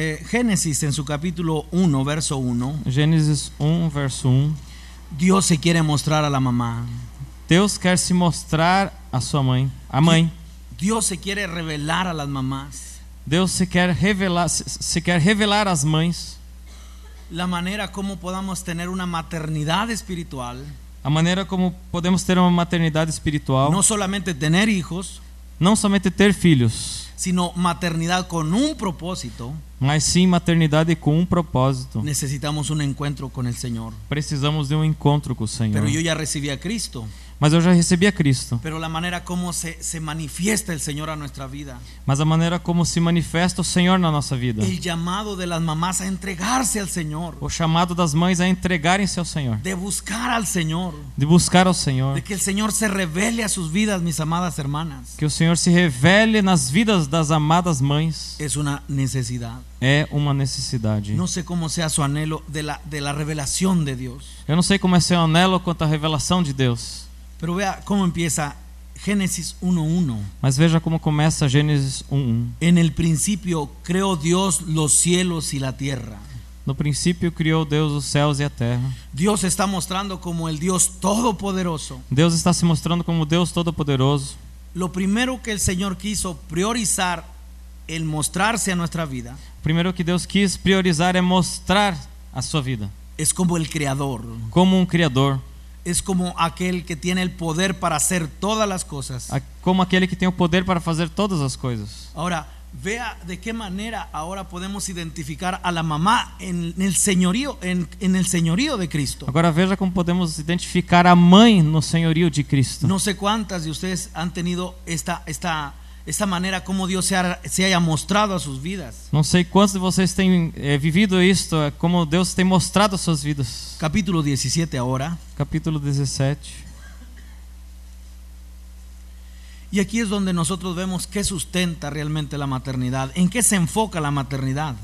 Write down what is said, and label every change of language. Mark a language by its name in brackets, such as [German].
[Portuguese] Gênesis, em seu capítulo 1, verso 1. Gênesis 1, verso 1. [Spanish] Dios se quiere mostrar a la mamá. [Portuguese] Deus quer se mostrar a sua mãe, a mãe. [Spanish] Dios se quiere revelar a las mamás. [Portuguese] Deus se quer revelar às mães. [Spanish] La manera como podamos tener una maternidad espiritual. [Portuguese] A maneira como podemos ter uma maternidade espiritual. [Spanish] No solamente tener hijos. [Portuguese] Não somente ter filhos. [Spanish] Sino maternidad con un propósito. [Portuguese] Mas sim maternidade com um propósito. [Spanish] Necesitamos un encuentro con el Señor. [Portuguese] Precisamos de um encontro com o Senhor. [Spanish] Pero yo ya recibí a Cristo. [Portuguese] Mas eu já recebi a Cristo. [Spanish] Pero la manera como se manifiesta el Señor a nuestra vida. [Portuguese] Mas a maneira como se manifesta o Senhor na nossa vida. [Spanish] El llamado de las mamás a entregarse al Señor. [Portuguese] O chamado das mães a entregarem-se ao Senhor. [Spanish] De buscar al Señor. [Portuguese] De buscar ao Senhor. [Spanish] De que el Señor se revele a sus vidas, mis amadas hermanas. [Portuguese] Que o Senhor se revele nas vidas das amadas mães. [Spanish] Es una necesidad. [Portuguese] É uma necessidade. Não sei como seja o anelo da revelação de Deus. Eu não sei como é seu anelo quanto à revelação de Deus. [Spanish] Pero vea como empieza Génesis 1:1. [Portuguese] Mas veja como começa Gênesis 1:1. [Spanish] En el principio creó Dios los cielos y la tierra. [Portuguese] No princípio criou Deus os céus e a terra. [Spanish] Dios está mostrando como el Dios todopoderoso. [Portuguese] Deus está se mostrando como Deus todopoderoso. [Spanish] Lo primero que el Señor quiso priorizar el mostrarse a nuestra vida. [Portuguese] Primeiro que Deus quis priorizar é mostrar a sua vida. [Spanish] Es como el creador. [Portuguese] Como um criador. [Spanish] Es como aquel que tiene el poder para hacer todas las cosas. [Portuguese] Como aquele que tem o poder para fazer todas as coisas. [Spanish] Ahora, vea de qué manera ahora podemos identificar a la mamá en el señorío de Cristo. [Portuguese] Agora veja como podemos identificar a mãe no senhorio de Cristo. [Spanish] No sé cuántas de ustedes han tenido esta [Portuguese] maneira como Deus [Spanish] se haya mostrado a suas vidas. [Portuguese] Não sei quantos de vocês têm vivido isto, como Deus tem mostrado as suas vidas. Capítulo 17 agora. Capítulo 17. E aqui é onde nós vemos que sustenta realmente a maternidade, em que se enfoca a maternidade.